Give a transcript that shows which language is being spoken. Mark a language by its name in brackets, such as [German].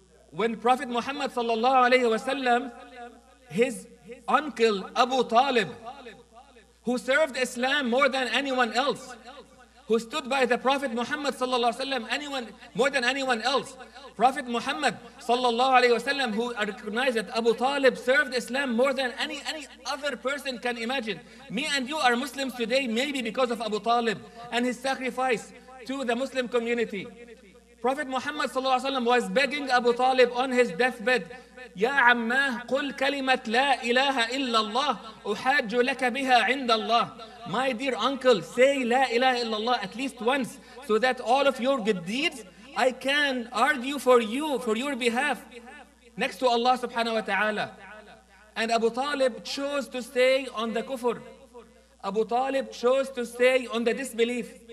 [English] When Prophet Muhammad sallallahu alayhi wa sallam, his uncle Abu Talib, who served Islam more than anyone else, who stood by the Prophet Muhammad sallallahu alaihi wasallam more than anyone else. Prophet Muhammad sallallahu alaihi wasallam, who recognized that Abu Talib served Islam more than any other person can imagine. Me and you are Muslims today, maybe because of Abu Talib and his sacrifice to the Muslim community. Prophet Muhammad sallallahu alaihi wasallam was begging Abu Talib on his deathbed, [Arabic] يا عماه قل كلمة لا إله إلا الله أحاج لك بها عند الله. [English] My dear uncle, say [Arabic] لا إله إلا الله [English] at least once, so that all of your good deeds I can argue for you, for your behalf, next to Allah subhanahu wa ta'ala. And Abu Talib chose to stay on the kufr. Abu Talib chose to stay on the disbelief.